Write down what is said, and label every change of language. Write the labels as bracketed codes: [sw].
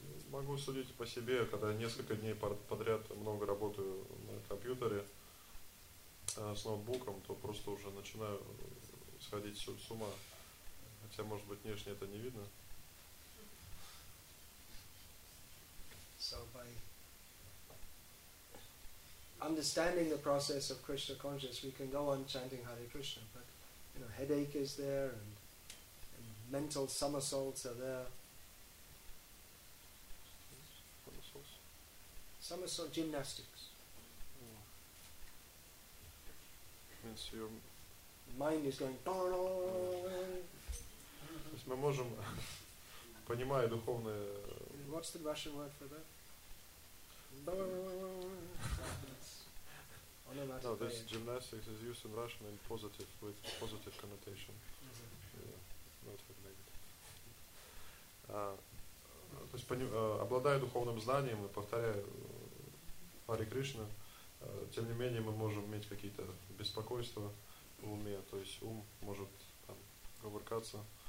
[ru] Могу судить по себе, когда несколько дней подряд много работаю на компьютере с ноутбуком, то просто уже начинаю сходить с ума. Хотя, может быть, внешне это не видно. [en] So by understanding the process of Krishna consciousness, we can go on chanting Hare Krishna, but you know, headache is there and mental somersaults are there. muscles. Somersault gymnastics. Means your mind is going. [ru] То есть мы можем, понимая духовное. [en] What's the Russian word for that? No, this gymnastics is used in Russian in positive, with positive connotation. Yeah, not [ru] то есть обладая духовным знанием, и повторяя Hare Krishna, тем не менее мы можем иметь какие-то беспокойства в уме, то есть ум может там кувыркаться.